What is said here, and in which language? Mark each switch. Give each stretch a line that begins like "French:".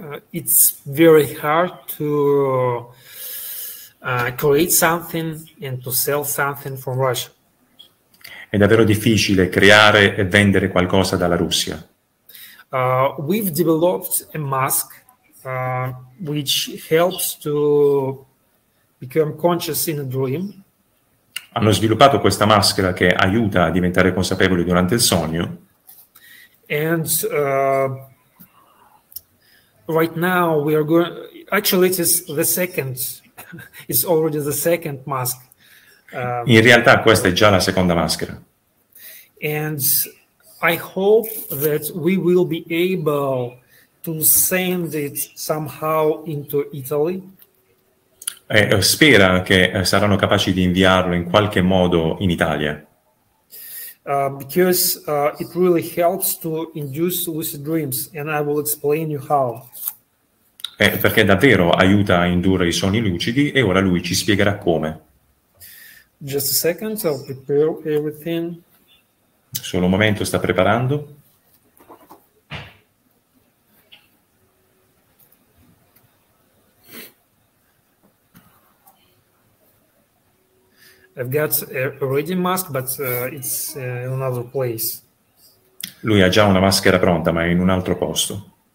English: It's very hard to create something and to sell something from Russia.
Italian: È davvero difficile creare e vendere qualcosa dalla Russia.
English: We've developed a mask which helps to become conscious in a dream.
Italian: Hanno sviluppato questa maschera che aiuta a diventare consapevoli durante il sogno.
English: And right now we are going. Actually, it is the second. It's already the second mask.
Italian: In realtà, questa è già la seconda maschera.
English: And I hope that we will be able to send it somehow into Italy.
Italian: Spera che saranno capaci di inviarlo in qualche modo in Italia.
English: Because it really helps to induce lucid dreams, and I will explain you how.
Italian: Perché davvero aiuta a indurre i sogni lucidi, e ora lui ci spiegherà come.
English: Just a second, I'll prepare everything.
Italian: Solo un momento, sta preparando.
English: I've got a ready mask, but it's in another place.
Italian: Lui ha già una maschera pronta, ma è in un altro posto.